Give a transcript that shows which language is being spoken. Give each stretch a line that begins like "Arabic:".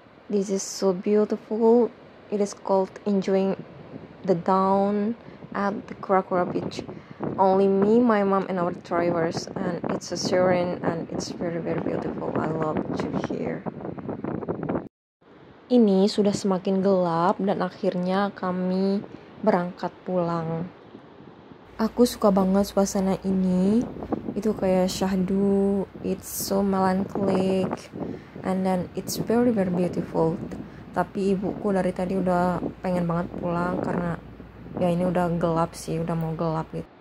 English: This is so beautiful. It is called enjoying the dawn at the Kura-Kura beach. Only me, my mom, and our drivers, and it's so serene and it's very, very beautiful. I love to be here.
Indonesian: Ini sudah semakin gelap dan akhirnya kami berangkat pulang. Aku suka banget suasana ini.
English: Itu kayak syahdu, it's so melancholic, and then it's very very beautiful.
Indonesian: Tapi ibuku dari tadi udah pengen banget pulang karena ya ini udah gelap sih, udah mau gelap gitu.